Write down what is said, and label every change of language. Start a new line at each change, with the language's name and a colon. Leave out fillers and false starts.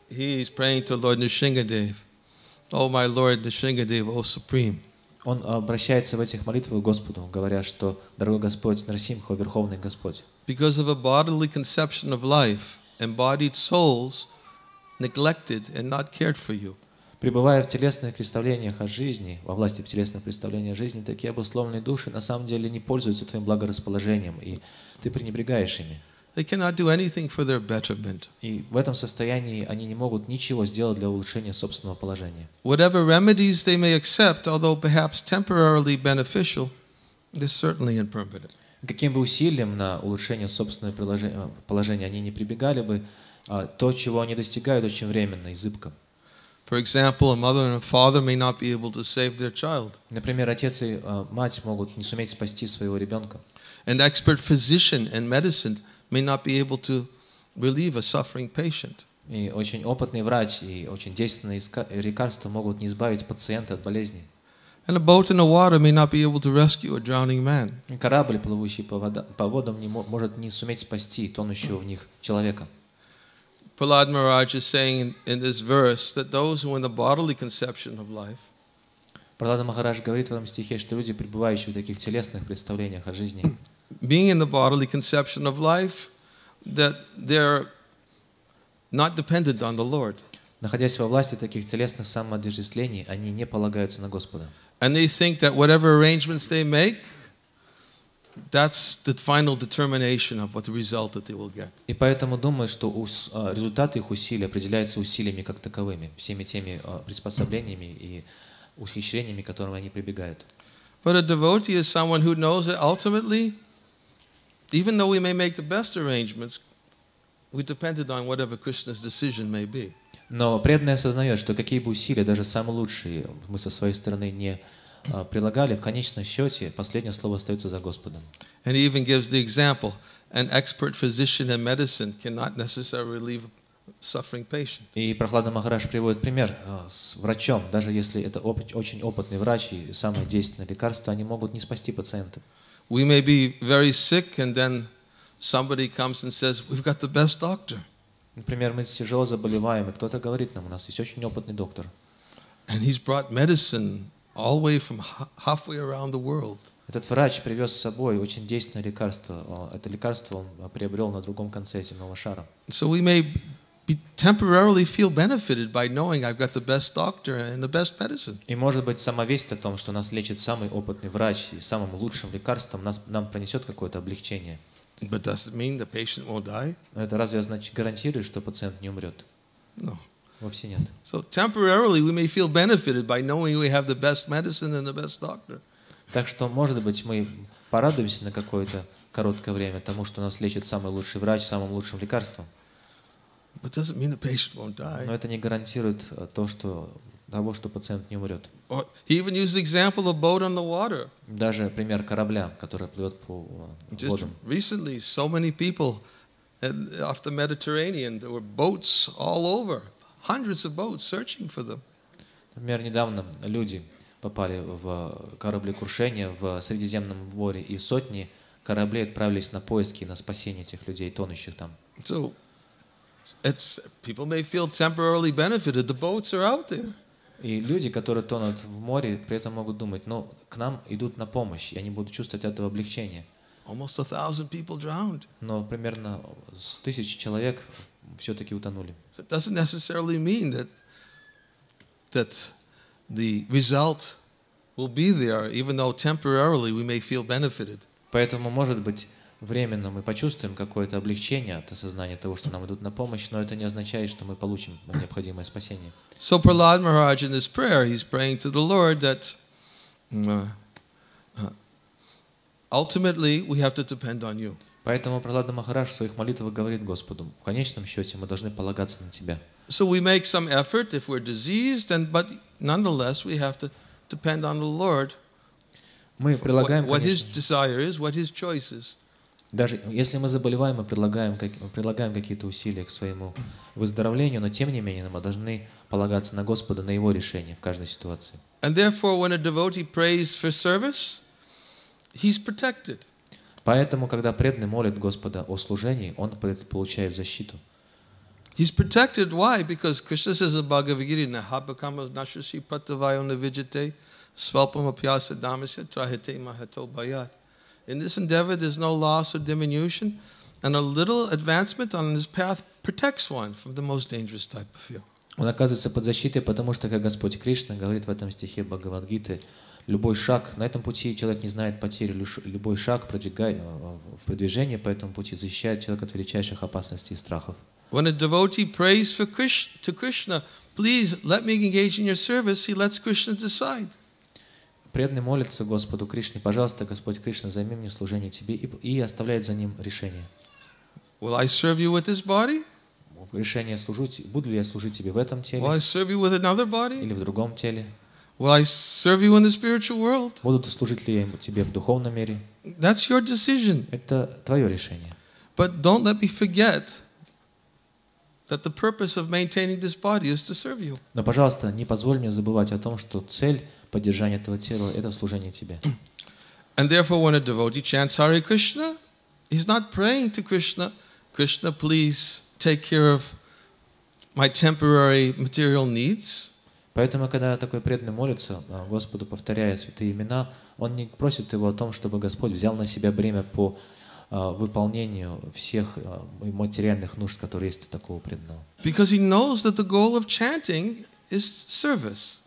English: He is praying to Lord Nrisingadev. O my Lord Nrisingadev, O Supreme.
Russian: Он обращается в этих молитвах к Господу, говоря, что «Дорогой Господь, Нарсимхо, Верховный Господь».
English: Because of a bodily conception of life, embodied souls neglected and not cared for you.
Russian: Пребывая в телесных представлениях о жизни, во власти телесных представлений о жизни, такие обусловленные души на самом деле не пользуются твоим благорасположением, и ты пренебрегаешь ими.
English: They cannot do anything for their betterment.
Russian: И в этом состоянии они не могут ничего сделать для улучшения собственного положения.
English: Whatever remedies they may accept, although perhaps temporarily beneficial, they're certainly impermanent.
Russian: Каким бы усилием на улучшение собственного положения они не прибегали бы, то, чего они достигают, очень временно и зыбко.
English: For example, a mother and a father may not be able to save their child.
Russian: Например, отец и мать могут не суметь спасти своего ребенка.
English: An expert physician in medicine may not be able to relieve a suffering patient.
Russian: И очень опытный врач и очень действенные лекарства могут не избавить пациента от болезни.
English: And a boat in the water may not be able to rescue a drowning man.
Russian: И корабль, плывущий по водам, не может не суметь спасти тонущего в них человека.
English: Prahlad Maharaj is saying in this verse that those who in the bodily conception of life.
Russian: Prahlad Maharaj говорит в этом стихе, что люди, пребывающие в таких телесных представлениях о жизни.
English: Being in the bodily conception of life, that they're not dependent on the Lord.
Russian: Находясь во власти таких телесных самоотождествлений, они не полагаются на Господа.
English: And they think that whatever arrangements they make, that's the final determination of what the result that they will get.
Russian: И поэтому думаю, что результат их усилий определяется усилиями как таковыми, всеми теми приспособлениями и ухищрениями, к которым они прибегают.
English: But a devotee is someone who knows that ultimately, even though we may make the best arrangements, we depended on whatever Krishna's decision may be.
Russian: Но преданный осознает, что какие бы усилия, даже самые лучшие, мы со своей стороны не прилагали, в конечном счете последнее слово остается за Господом.
English: And he even gives the example: an expert physician in medicine cannot necessarily relieve a suffering patient.
Russian: И Прохлада Махарадж приводит пример с врачом: даже если это очень опытный врач и самое действенное лекарство, они могут не спасти пациента.
English: We may be very sick, and then somebody comes and says, "We've got the best doctor."
Russian: Например, мы тяжело заболеваем, и кто-то говорит нам: "У нас есть очень опытный доктор."
English: And he's brought medicine all the way from halfway around the world.
Russian: Этот врач привез с собой очень действенное лекарство. Это лекарство он приобрел на другом конце земного шара.
English: So we may be temporarily feel benefited by knowing I've got the best doctor and the best medicine.
Russian: И может быть сама весть о том, что нас лечит самый опытный врач и самым лучшим лекарством, нам принесет какое-то облегчение.
English: But does it mean the patient won't die?
Russian: Это разве значит гарантирует, что пациент не умрет?
English: No.
Russian: Вовсе нет.
English: So temporarily we may feel benefited by knowing we have the best medicine and the best doctor.
Russian: Так что, может быть, мы порадуемся на какое-то короткое время тому, что нас лечит самый лучший врач самым лучшим лекарством.
English: But doesn't mean the patient won't die.
Russian: Но это не гарантирует того, что пациент не умрет.
English: Or he even used the example of boat on the water.
Russian: Даже пример корабля, который плывет по водам.
English: Just recently, so many people off the Mediterranean, there were boats all over. Hundreds of boats searching for them.
Russian: Например, недавно люди попали в корабли крушения в Средиземном море, и сотни кораблей отправились на поиски, на спасение этих людей, тонущих там.
English: So, people may feel temporarily benefited. The boats are out there.
Russian: И люди, которые тонут в море, при этом могут думать: ну, к нам идут на помощь, и они будут чувствовать этого облегчения.
English: Almost 1,000 people drowned.
Russian: Но примерно с 1,000 человек все-таки утонули.
English: So it doesn't necessarily mean that the result will be there, even though temporarily we may feel benefited.
Russian: Поэтому, может быть, временно мы почувствуем какое-то облегчение от осознания того, что нам идут на помощь, но это не означает, что мы получим необходимое спасение.
English: So Prahlad Maharaj in his prayer, he's praying to the Lord that ultimately we have to depend on you.
Russian: Поэтому Прохлада Махарадж в своих молитвах говорит Господу: в конечном счете мы должны полагаться на Тебя.
English: So we make some effort if we're diseased, but nonetheless we have to depend on the Lord.
Russian: Мы прилагаем,
English: what His desire is, what His choice is.
Russian: Даже если мы заболеваем, мы прилагаем какие-то усилия к своему выздоровлению, но тем не менее мы должны полагаться на Господа, на Его решение в каждой ситуации.
English: And therefore, when a devotee prays for service, he's protected.
Russian: Поэтому, когда преданный молит Господа о служении, он получает защиту.
English: He's protected. Why? Because Krishna says in Bhagavad Gita,
Sanskrit: "Nahabakama nashasi patavayo navijate svalpam apyasa damasya trahite mahato bayat."
English: In this endeavor, there's no loss or diminution, and a little advancement on this path protects one from the most dangerous type of fear.
Russian: Он оказывается под защитой, потому что, как Господь Кришна говорит в этом стихе Бхагавад-гиты, любой шаг на этом пути, человек не знает потери, любой шаг в продвижении по этому пути защищает человека от величайших опасностей и страхов.
English: When a devotee prays for Krishna, to Krishna, please let me engage in your service, he lets Krishna decide.
Russian: Преданный молится Господу Кришне, пожалуйста, Господь Кришна, займи мне служение тебе, и оставляет за ним решение.
English: Will I serve you with this body?
Russian: Решение служить, буду ли я служить тебе в этом теле?
English: Will I serve you with another body?
Russian: Или в другом теле?
English: Will I serve you in the spiritual world?
Russian: Буду служить ли я тебе в духовном мире?
English: That's your decision.
Russian: Это твое решение.
English: But don't let me forget that the purpose of maintaining this body is to serve you.
Russian: Но, пожалуйста, не позволь мне забывать о том, что цель поддержания этого тела — это служение тебе.
English: And therefore, when a devotee chants Hare Krishna, he's not praying to Krishna, Krishna, please take care of my temporary material needs.
Russian: Поэтому, когда такой преданный молится Господу, повторяя святые имена, он не просит его о том, чтобы Господь взял на себя бремя по выполнению всех материальных нужд, которые есть у такого преданного.
English: Because he knows that the goal of chanting is service.